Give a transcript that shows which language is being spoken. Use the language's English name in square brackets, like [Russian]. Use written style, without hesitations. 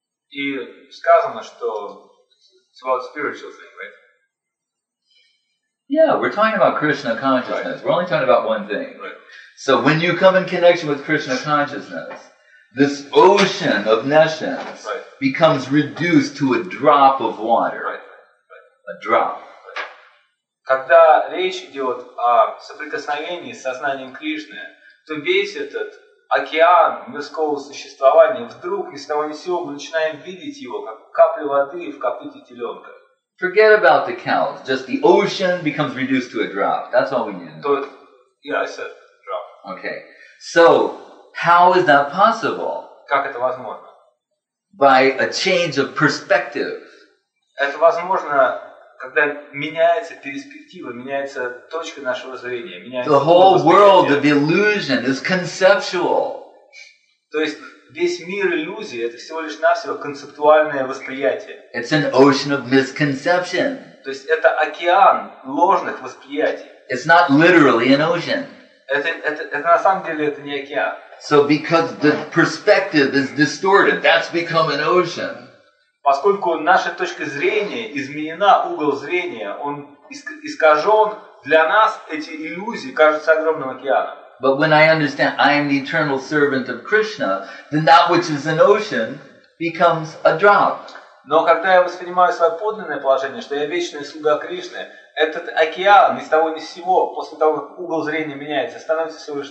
[Russian] И сказано, что [English] it's about spiritual thing, right? Yeah, we're talking about Krishna consciousness. Right. We're only talking about one thing. Right. So when you come in connection with Krishna consciousness, this ocean of nations becomes reduced to a drop of water. Right. A drop. [Russian] Когда речь идет о соприкосновении с сознанием Кришны, то весь этот океан мирского существования вдруг ни с того ни с сего мы начинаем видеть его как каплю воды в копыте теленка. [English] Forget about the cows. Just the ocean becomes reduced to a drop. That's all we need. [Russian] То, [English] yeah, I said drop. Okay. So how is that possible? [Russian] Как это возможно? [English] By a change of perspective. [Russian] Это возможно, когда меняется перспектива, меняется точка нашего зрения, меняется. [English] The whole world of illusion is conceptual. [Russian] То есть весь мир иллюзий — это всего лишь навсего концептуальное восприятие. [English] It's an ocean of misconception. [Russian] То есть это океан ложных восприятий. [English] It's not literally an ocean. [Russian] Это на самом деле это не океан. [English] So because the perspective is distorted, that's become an ocean. [Russian] Поскольку наша точка зрения изменена, угол зрения, он искажен, для нас эти иллюзии кажутся огромным океаном. [English] But when I understand I am the eternal servant of Krishna, then that which is an ocean becomes a drop. [Russian] Но когда я воспринимаю свое подлинное положение, что я вечный слуга Кришны, этот океан ни с того ни с сего, после того, как угол зрения меняется, становится всего лишь